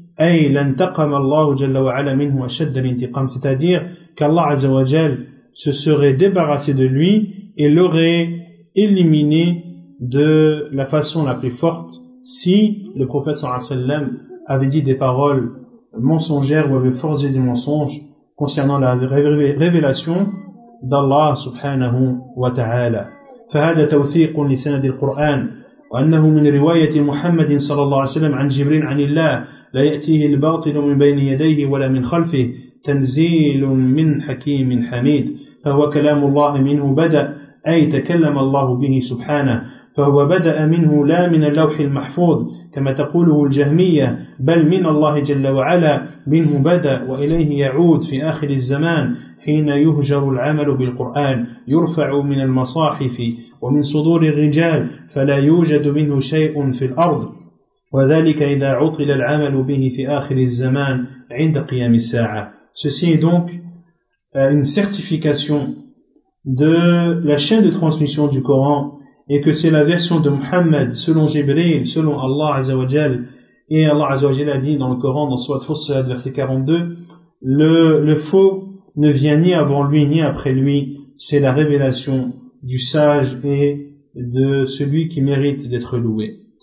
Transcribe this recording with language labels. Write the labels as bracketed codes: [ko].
[ar] Ay lantaqam Allahu Jalla wa Ala minhu ashadd al-intiqam, [fr] c'est-à-dire qu'Allah Azza wa Jal se serait débarrassé de lui et l'aurait éliminé de la façon la plus forte si le prophète sallallahu alayhi wa sallam avait dit des paroles mensongères ou avait forgé des mensonges concernant la révélation d'Allah subhanahu wa ta'ala. [ar] فهذا توثيق لسند القرآن وأنه من رواية محمد صلى الله عليه وسلم عن جبريل عن الله لا يأتيه الباطل من بين يديه ولا من خلفه تنزيل من حكيم حميد فهو كلام الله منه بدأ أي تكلم الله به سبحانه فهو بدأ منه لا من اللوح المحفوظ كما تقوله الجهمية بل من الله جل وعلا منه بدأ وإليه يعود في آخر الزمان حين يهجر العمل بالقرآن يرفع من المصاحف ومن صدور الرجال فلا يوجد منه شيء في الأرض وذلك إذا عطل العمل به في آخر الزمان عند قيام الساعة. [fr] Ceci est donc une certification de la chaîne de transmission du Coran et que c'est la version de Muhammad selon Jibril, selon Allah Azza wa Jal. Et Allah Azza wa Jal a dit dans le Coran, dans Sourate Fussilat verset 42, le faux ne vient ni avant lui ni après lui, c'est la révélation du sage et de celui qui mérite d'être loué.